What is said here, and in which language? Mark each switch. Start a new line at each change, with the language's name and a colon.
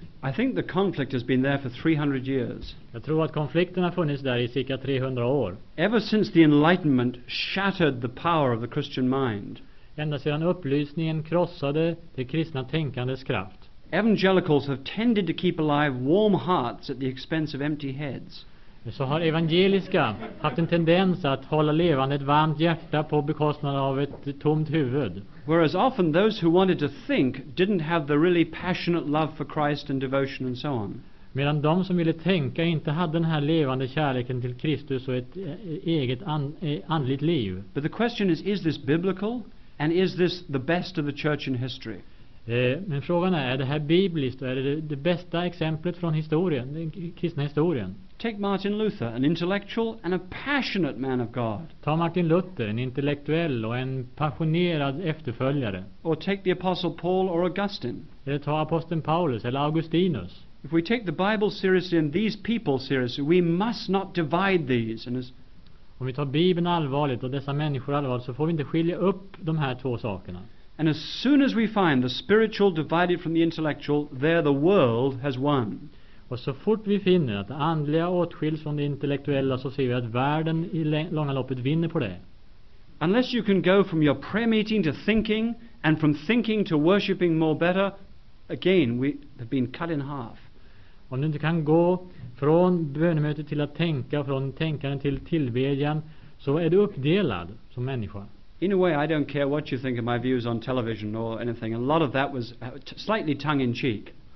English: I think the conflict has been there for 300 years.
Swedish: Jag tror att konflikten har funnits där i cirka 300 år.
English: Ever since the Enlightenment shattered the power of the Christian mind.
Swedish: Ända sedan upplysningen krossade det kristna tänkandets kraft.
English: Evangelicals have tended to keep alive warm hearts at the expense of empty heads.
Swedish: Så har evangeliska haft en tendens att hålla levande ett varmt hjärta på bekostnad av ett tomt huvud.
English: Whereas often those who wanted to think didn't have the really passionate love for Christ and devotion and so on.
Swedish: Medan de som ville tänka inte hade den här levande kärleken till Kristus och ett eget andligt liv.
English: But the question is this biblical and is this the best of the church in history?
Swedish: Men frågan är det här bibliskt och är det det bästa exemplet från historien, den kristna historien?
English: Take Martin Luther, an intellectual and a passionate man of God.
Swedish: Ta Martin Luther, en intellektuell och en passionerad efterföljare.
English: Or take the apostle Paul or Augustine.
Swedish: Eller ta aposteln Paulus eller Augustinus.
English: If we take the Bible seriously and these people seriously, we must not divide these. And
Swedish: om vi tar Bibeln allvarligt och dessa människor allvarligt, så får vi inte skilja upp de här två sakerna.
English: And as soon as we find the spiritual divided from the intellectual, there the world has won.
Swedish: Och så fort vi finner att det andliga åtskiljs från det intellektuella, så ser vi att världen i långa loppet vinner på det.
English: Unless you can go from your prayer meeting to thinking and from thinking to worshiping more better, again we have been cut in half.
Swedish: Om du inte kan gå från bönemötet till att tänka, från tänkande till tillbedjan, så är du uppdelad som människa.
English: In a way I don't care what you think of my views on television or anything. A lot of that was slightly tongue in cheek.